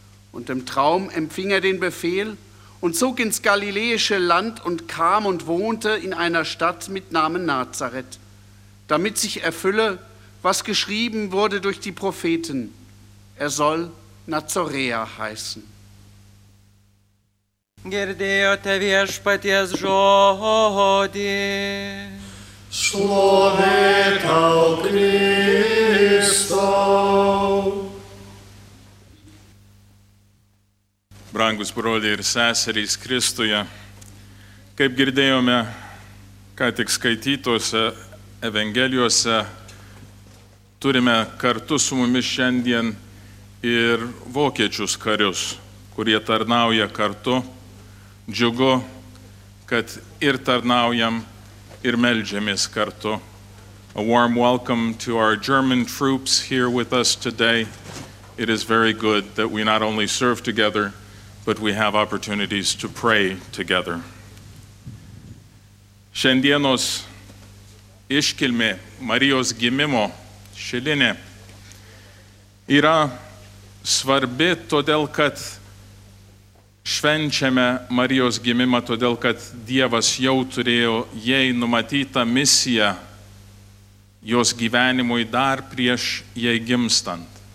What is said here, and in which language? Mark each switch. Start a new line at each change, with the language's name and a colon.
German: Und im Traum empfing er den Befehl und zog ins galiläische Land und kam und wohnte in einer Stadt mit Namen Nazareth, damit sich erfülle, was geschrieben wurde durch die Propheten: Er soll Nazoräer heißen.
Lithuanian: Girdėjote Viešpaties žodį. Šlovė tau, Kristau. Brangus broliai ir seserys Kristuje, kaip girdėjome, ką tik skaitytose evangelijose, turime kartu su mumis šiandien ir vokiečius karius, kurie tarnauja kartu. Džiugu, kad ir tarnaujam, ir meldžiamės kartu.
English: A warm welcome to our German troops here with us today. It is very good that we not only serve together, but we have opportunities to pray together.
Lithuanian: Šiandienos iškilmė Marijos gimimo šilinė yra svarbi todėl, kad švenčiame Marijos gimimą todėl, kad Dievas jau turėjo jai numatytą misiją jos gyvenimui dar prieš jai gimstant.